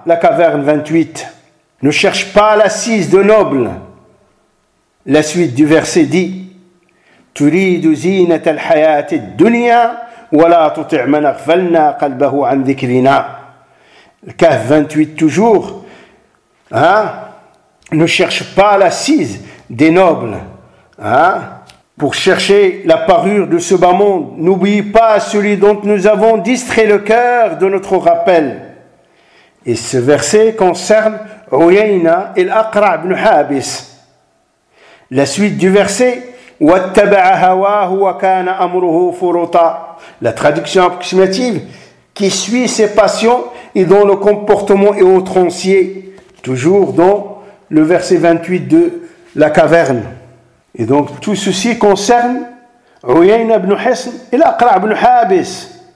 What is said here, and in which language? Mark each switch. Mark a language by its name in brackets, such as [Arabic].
[French] La Caverne 28. Ne cherche pas l'assise de noble. La suite du verset dit: [Arabic] تريد زينة الحياة الدنيا ولا تطع من اغفلنا قلبه عن ذكرنا. [French] Le Kahf 28 toujours. Hein? Ne cherche pas l'assise des nobles. Hein? Pour chercher la parure de ce bas monde, n'oublie pas celui dont nous avons distrait le cœur de notre rappel. Et ce verset concerne Uyayna et l'Aqra ibn Habis. La suite du verset: [Arabic] واتبع هواه وكان امره فرطا. [French] La traduction approximative: qui suit ses passions et dont le comportement est outrancier. Toujours dans le verset 28 de la caverne. Et donc tout ceci concerne Uyayna ibn Hassan et l'Aqra ibn Habis.